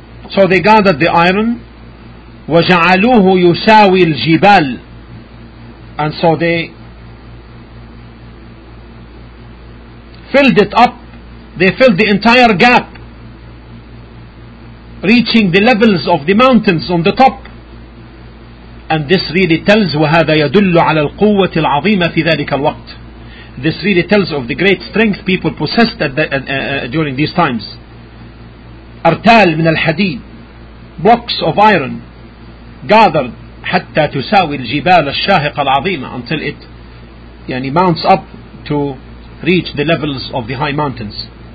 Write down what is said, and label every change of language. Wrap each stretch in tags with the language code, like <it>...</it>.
<en>So they gathered the iron,</en> <ar>وَجَعَلُوهُ يُسَاوِي الْجِبَالِ,</ar> <en>and so they filled it up. They filled the entire gap, reaching the levels of the mountains on the top. And this really tells,</en> <ar>وَهَذَا يَدُلُّ عَلَى الْقُوَّةِ الْعَظِيمَةِ فِي ذَلِكَ الْوَقْتِ.</ar> <en>This really tells of the great strength people possessed at the, during these times.</en> <ar>أرتال من الحديد,</ar> <en>blocks of iron gathered,</en> <ar>حتى تساوي الجبال الشاهقة العظيمة,</ar> <en>until it يعني mounts up to reach the levels of the high mountains.</en>